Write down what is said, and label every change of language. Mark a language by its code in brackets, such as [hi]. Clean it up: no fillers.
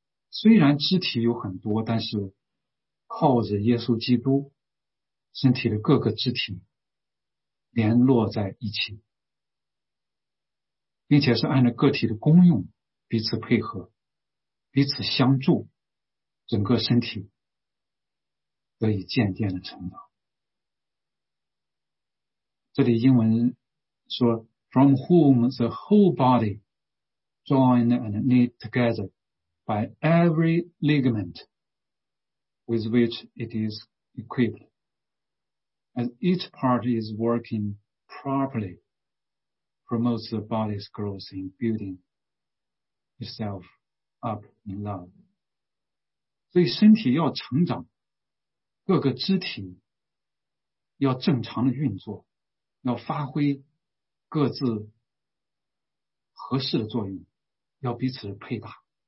[zh] 虽然肢体有很多，但是靠着耶稣基督，身体的各个肢体联络在一起，并且是按照个体的功用彼此配合，彼此相助，整个身体得以渐渐的成长。这里英文说 [en] from whom the whole body joined and knit together by every ligament with which it is equipped, as each part is working properly, promotes the body's growth in building itself up in love. [zh] 所以身体要成长，各个肢体要正常的运作，要发挥各自合适的作用，要彼此配搭。